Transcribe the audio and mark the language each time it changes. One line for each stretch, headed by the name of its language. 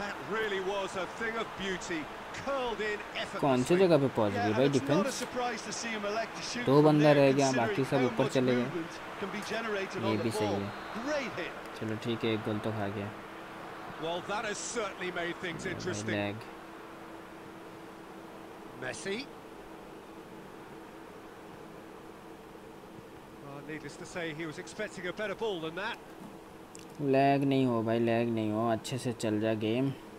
English: That really was a thing of beauty. Curled in effortlessly.
Hindi: कौन सी जगह पे पहुंच गए भाई डिफेंस? दो बंदा रह गया, बाकी सब ऊपर चले गए। ये भी सही है। चलो ठीक है, एक गोल तो खा गया।
English: Well, that has certainly made things interesting. Messi. Well, needless to say, he was expecting a better ball than that.
Hindi: Lag नहीं हो भाई, लैग नहीं हो, अच्छे से चल जा गेम।